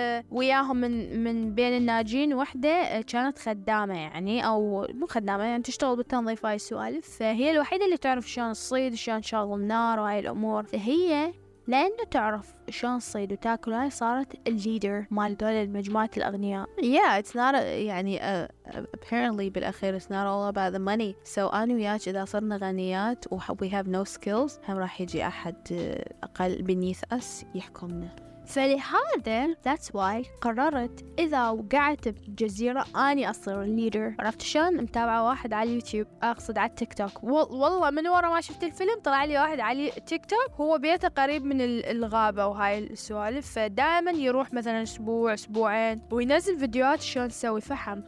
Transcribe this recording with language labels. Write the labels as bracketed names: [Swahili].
[Arabic] وياهم من بين الناجين وحدة كانت خدامة يعني أو مو خدامة يعني تشتغل بالتنظيف هاي السوالف فهي الوحيدة اللي تعرف شلون الصيد شلون شغل النار وهاي الأمور فهي لأنه تعرف شلون صيد وتاكل، هاي صارت الليدر مال دول المجموعة الأغنياء. [English] Yeah, it's not a, يعني apparently بالأخير it's not all about the money. [Arabic] So أنا وياك إذا صرنا غنيات و [English] we have no skills، [Arabic] هم راح يجي أحد أقل beneath us يحكمنا. فلهذا [English] that's why [Arabic] قررت إذا وقعت بجزيرة أني أصير الليدر. عرفت شلون؟ متابعة واحد على اليوتيوب، أقصد على التيك توك، والله من ورا ما شفت الفيلم طلع لي واحد على تيك توك هو بيته قريب من الغابة وهاي السوالف، فدائما يروح مثلا أسبوع أسبوعين وينزل فيديوهات شلون نسوي فحم.